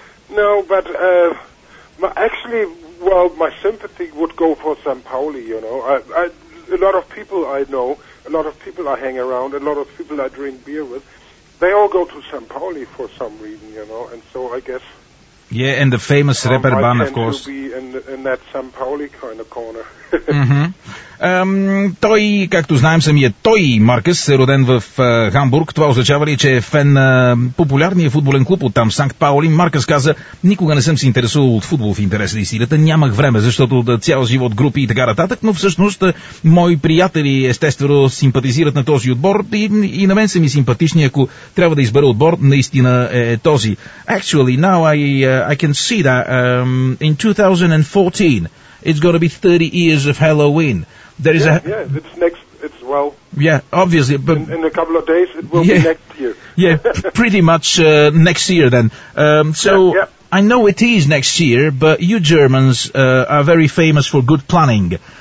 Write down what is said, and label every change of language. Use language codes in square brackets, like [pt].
[en] No, but my sympathy would go for St. Pauli, you know. A lot of people I know, a lot of people I hang around, a lot of people I drink beer with, they all go to St. Pauli for some reason, you know, and so I guess... Yeah, and the famous rapper band, of course. I tend to be in that St. Pauli kind of corner. Mm-hmm. [bg] Той, както знаем самия той, Маркъс, е роден в Хамбург. Това означава ли, че е фен на популярния футболен клуб от там, Санкт Паули? Маркъс каза, никога не съм се интересувал от футбол в интерес на истината. Нямах време, защото да цял живот групи и така нататък, но всъщност мои приятели естествено симпатизират на този отбор и на мен са ми симпатични, ако трябва да избера отбор, наистина е този. [en] Actually, now I can see that in 2014... It's going to be 30 years of Halloween. There is it's next, it's well... Yeah, obviously, but... In a couple of days, it will be next year. Yeah, pretty much next year then. I know it is next year, but you Germans are very famous for good planning.